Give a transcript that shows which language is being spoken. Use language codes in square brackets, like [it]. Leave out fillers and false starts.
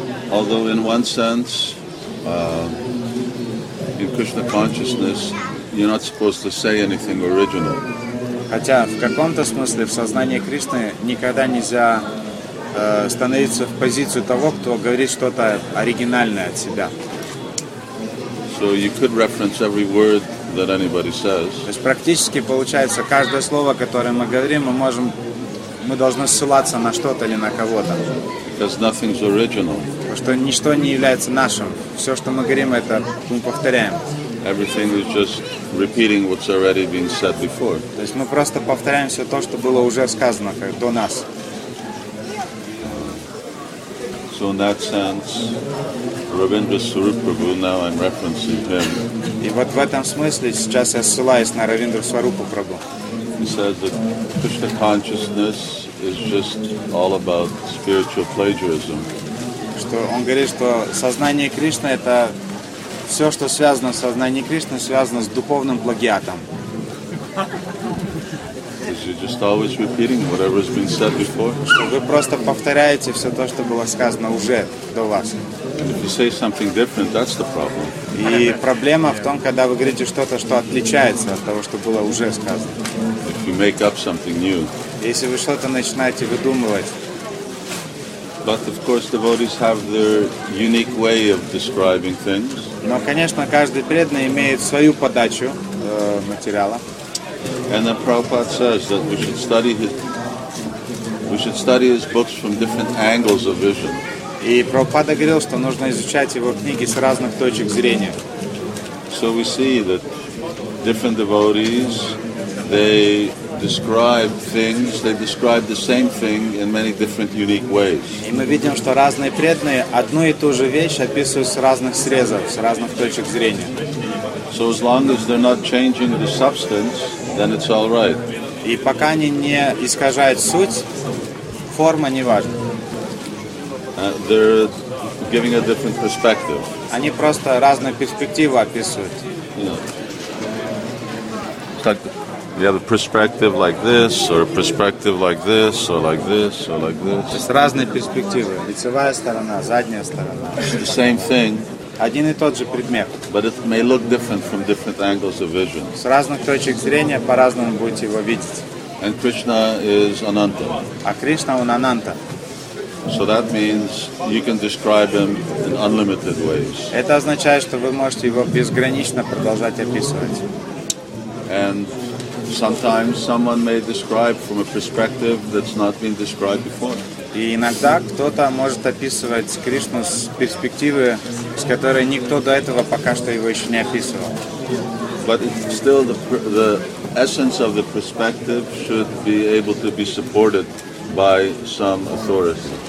[en] Although in one sense, in Krishna consciousness, you're not supposed to say anything original. [ru] Хотя в каком-то смысле в сознании Кришны никогда нельзя становиться в позицию того, кто говорит что-то оригинальное от себя. [en] So So you could reference every word that anybody says. [ru] То есть практически получается каждое слово, которое мы говорим, мы должны ссылаться на что-то или на кого-то. [en] Because nothing's original. [ru] Потому что ничто не является нашим. Все, что мы говорим, это мы повторяем. [en] Everything is just repeating what's already been said before. [ru] То есть мы просто повторяем все то, что было уже сказано как до нас. [en] So in that sense, Ravindra Swarup Prabhu, now I'm referencing him. [ru] И вот в этом смысле сейчас я ссылаюсь на Равиндру Сварупу Прабху. [en] He says that Krishna consciousness is just all about spiritual plagiarism. [ru] Что он говорит, что сознание Кришны — это все, что связано с сознанием Кришны, связано с духовным плагиатом. [en] You're just always repeating whatever has been said before. [ru] Вы просто повторяете все то, что было сказано уже до вас. [en] If you say something different, that's the problem. [ru] И проблема в том, когда вы говорите что-то, что отличается от того, что было уже сказано. [en] If you make up something new. [ru] Если вы что-то начинаете выдумывать. [en] But of course, devotees have their unique way of describing things. [ru] Но, конечно, каждый преданный имеет свою подачу материала. [en] And then Prabhupada says that we should study his books from different angles of vision. [ru] И Прабхупада говорил, что нужно изучать его книги с разных точек зрения. [en] So we see that different devotees, they describe things, they describe the same thing in many different unique ways. [ru] И мы видим, что разные преданные одну и ту же вещь описывают с разных срезов, с разных точек зрения. [en] So as long as they're not changing the substance, then it's all right. [ru] И пока они не искажают суть, форма не важна. [en] They're giving a different perspective. [ru] Они просто разные перспективы описывают. Так, [en] you have a perspective like this, or a perspective like this, or like this, or like this. [ru] То есть разные перспективы. Лицевая сторона, задняя сторона. [en] The same thing. [ru] Один и тот же предмет. [en] But it may look different from different angles of vision. [ru] С разных точек зрения по-разному будете его видеть. [en] And Krishna is Ananta. [ru] А Кришна он Ананта. [en] So that means you can describe him in unlimited ways. [ru] Это означает, что вы можете его безгранично продолжать описывать. [en] And sometimes someone may describe from a perspective that's not been described before. [ru] И иногда кто-то может описывать Кришну с перспективы, с которой никто до этого пока что его еще не описывал. [en] But still the essence of the perspective should be able to be supported by some authority.